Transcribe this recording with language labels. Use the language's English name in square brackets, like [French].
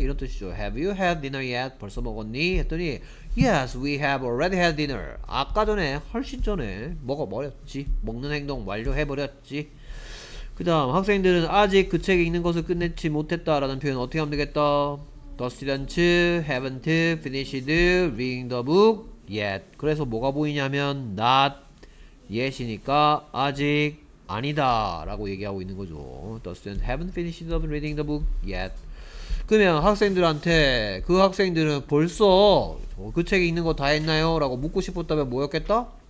[Korean] 이런 뜻이죠. [English] Have you had dinner yet? [Korean] 벌써 먹었니? 했더니 [English] Yes, we have already had dinner. [Korean] 아까 전에 훨씬 전에 먹어버렸지. 먹는 행동 완료해버렸지. 그 다음 학생들은 아직 그 책 읽는 것을 끝내지 못했다 라는 표현 어떻게 하면 되겠다? [English] The students haven't finished reading the book yet. [Korean] 그래서 뭐가 보이냐면 not yet이니까 아직 아니다 라고 얘기하고 있는 거죠. [English] The students haven't finished reading the book yet. [Korean] 그러면 학생들한테, 그 학생들은 벌써 그 책 읽는 거 다 했나요? 라고 묻고 싶었다면 뭐였겠다?